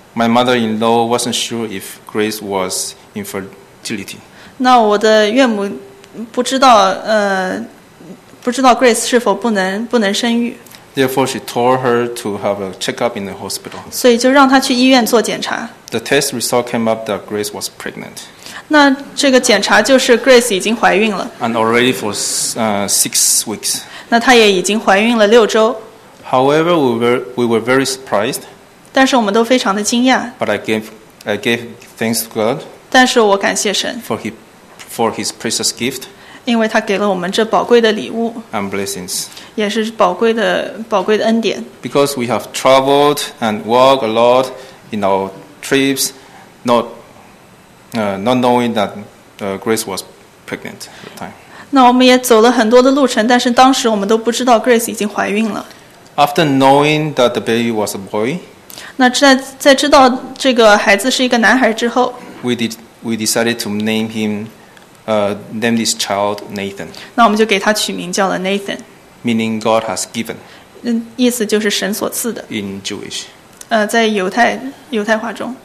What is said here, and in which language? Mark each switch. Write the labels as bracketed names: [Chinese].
[English] ，My mother-in-law wasn't sure if Grace was infertility. [Chinese] 那我的岳母不知道 Grace 是否不能生育。 [English] Therefore, she told her to have a checkup in the hospital. [Chinese] 所以就让她去医院做检查。 [English] The test result came up that Grace was pregnant. [Chinese] 那这个检查就是 Grace 已经怀孕了。 [English] And already for 6 weeks. [Chinese] 那她也已经怀孕了6周。 [English] However, we were very surprised. [Chinese] 但是我们都非常的惊讶。 [English] But I gave thanks to God. [Chinese] 但是我感谢神。 [English] For his precious gift. [Chinese] 因为他给了我们这宝贵的礼物。 [English] And blessings. [Chinese] 也是宝贵的恩典。 [English] Because we have traveled and walked a lot in our trips, not knowing that Grace was pregnant at the time. [Chinese] 那我们也走了很多的路程，但是当时我们都不知道 Grace 已经怀孕了。 [English] After knowing that the baby was a boy, [Chinese] 那在知道这个孩子是一个男孩之后 [English] we decided to name this child Nathan. [Chinese] 那我们就给他取名叫了 Nathan. [English] Meaning God has given. [Chinese] 意思就是神所赐的。 [English] In Jewish. [Chinese] 在犹太话中。